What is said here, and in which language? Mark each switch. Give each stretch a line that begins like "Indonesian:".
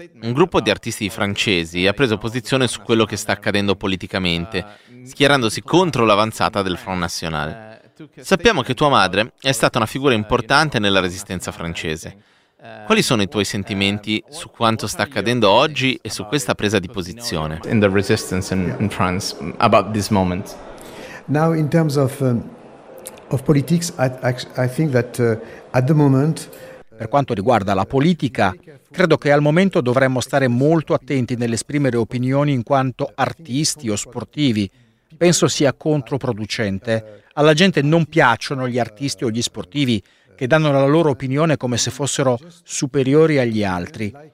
Italian: Un gruppo di artisti francesi ha preso posizione su quello che sta accadendo politicamente, schierandosi contro l'avanzata del Front National. Sappiamo che tua madre è stata una figura importante nella resistenza francese. Quali sono i tuoi sentimenti su quanto sta accadendo oggi e su questa presa di posizione?
English: In the resistance in France about this moment. Now in terms of politics, I think that at the moment.
Italian: Per quanto riguarda la politica, credo che al momento dovremmo stare molto attenti nell'esprimere opinioni in quanto artisti o sportivi. Penso sia controproducente. Alla gente non piacciono gli artisti o gli sportivi che danno la loro opinione come se fossero superiori agli altri.